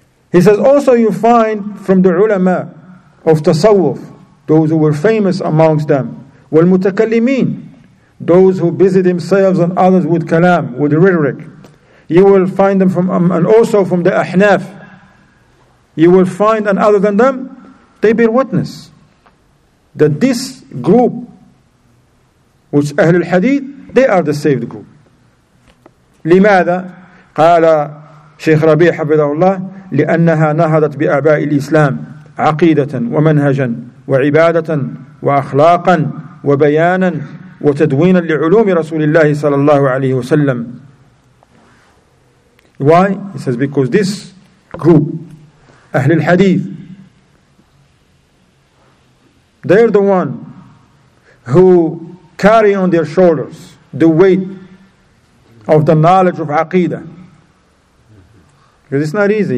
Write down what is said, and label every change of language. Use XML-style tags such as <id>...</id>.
<en>He says, also you find from the ulama of tasawwuf, those who were famous amongst them, wal-mutakallimeen, those who busy themselves and others with kalam, with rhetoric. You will find them from, and also from the Ahnaf. You will find, and other than them, they bear witness that this group, which Ahlul Hadith, they are the saved group.</en> <ar>لماذا؟ قال شيخ ربيع حفظه الله لأنها نهضت بأعباء الإسلام عقيدة ومنهجا وعبادة وأخلاقا وبيانا وتدوينا لعلوم رسول الله صلى الله عليه وسلم.</ar> <en>Why? He says, because this group, Ahlul Hadith, they're the one who carry on their shoulders the weight of the knowledge of Aqidah. Because it's not easy.</en>